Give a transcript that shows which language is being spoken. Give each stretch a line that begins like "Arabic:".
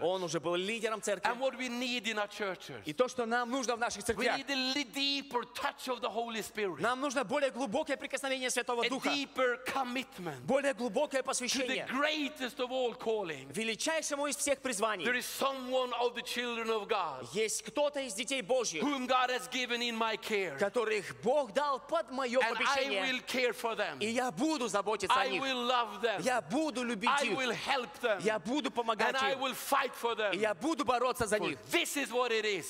Russian: Он уже был лидером церкви.
English: And what we need in our churches,
Russian: и то, что нам нужно в наших церквях,
English: we need a deeper touch of the Holy Spirit.
Russian: Нам нужно более глубокое прикосновение Святого Духа.
English: A deeper commitment,
Russian: более глубокое посвящение.
English: To the greatest of all calling,
Russian: величайшему из всех призваний.
English: There is someone of the children of God,
Russian: есть кто-то из детей Божьих,
English: whom God has given in my care,
Russian: которых Бог дал под мое попечение,
English: and I will care for them.
Russian: И я буду заботиться
English: I
Russian: о них.
English: I will love them.
Russian: Я буду любить
English: I
Russian: их.
English: I will help them.
Russian: Я буду помогать
English: and
Russian: им.
English: And I will fight for them.
Russian: И я буду бороться за
English: for
Russian: них.
English: This is what it is.